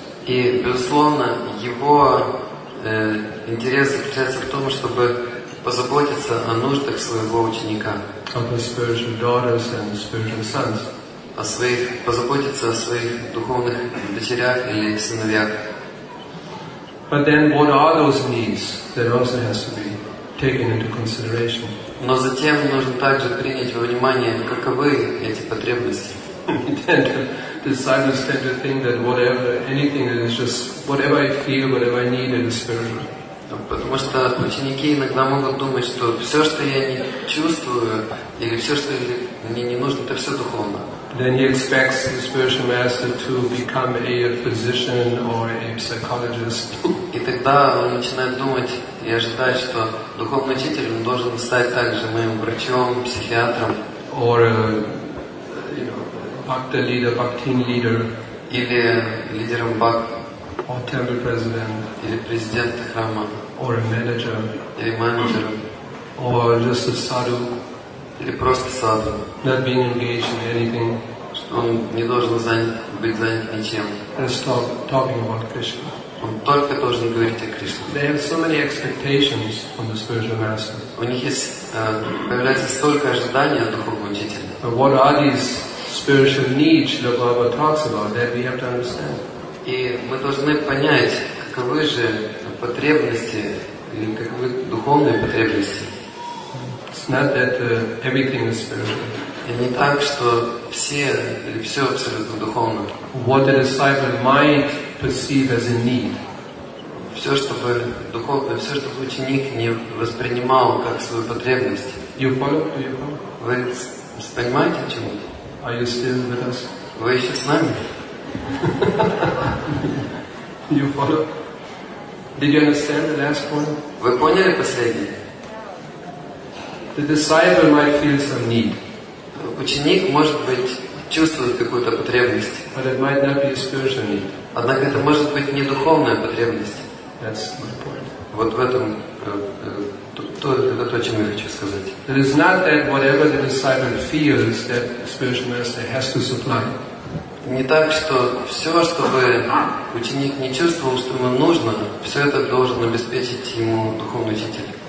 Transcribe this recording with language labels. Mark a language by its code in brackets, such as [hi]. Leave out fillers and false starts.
[ru] И безусловно его интерес заключается в том, чтобы позаботиться о нуждах своего ученика. [en] Of his spiritual daughters and spiritual sons. [ru] О своих, позаботиться о своих духовных дочерях или сыновьях. [en] But then, what are those needs that also has to be taken into consideration? [ru] Но затем нужно также принять во внимание, каковы эти потребности. [en] Then the disciples tend to think that whatever, anything that is just whatever I feel, whatever I need, it is spiritual. [ru] Потому что ученики иногда могут думать, что все, что я не чувствую, или все, что мне не нужно, это все духовно. [en] Then he expects the spiritual master to become a physician or a psychologist. [ru] И тогда он начинает думать и ожидать, что духовный учитель должен стать также моим врачом, психиатром. [en] Or a, bhakti leader, bhakti leader. [ru] Или лидером бхак. [en] Or temple president. [ru] Или президента храма. [en] Or a manager. [ru] Или менеджером. [en] Or just a sadhu. [ru] Или просто sadhu. [en] Not being engaged in anything. [ru] Что он не должен быть занят ничем. [en] Just talking about Krishna. [ru] Он только должен говорить о Кришне. [en] They have so many expectations from the spiritual master. [ru] У них появляется столько ожиданий от духовного учителя. [en] But what are these spiritual needs that Baba talks about that we have to understand? [ru] И мы должны понять, каковы же потребности или каковы духовные потребности. [en] It's not that everything is spiritual. [ru] И не так, что все или все абсолютно духовно. [en] What the disciple might perceive as a need. [ru] Все, чтобы духовное, все, чтобы ученик не воспринимал как свою потребность. [en] You follow? You follow? [ru] Вы понимаете, о чем? [en] Are you still with us? [ru] Вы еще с нами? [en] You follow? Did you understand the last point? [ru] Вы поняли последнее? [en] The disciple might feel some need. [ru] Ученик может быть чувствует какую-то потребность. [en] But it might not be a spiritual need. [ru] Однако это может быть не духовная потребность. [en] That's my point. [ru] Вот в этом то, о чем я хочу сказать. [en] It is not that whatever the disciple feels that spiritual master has to supply. [ru] Не так, что все, чтобы ученик не чувствовал, что ему нужно, все это должен обеспечить ему духовный учитель.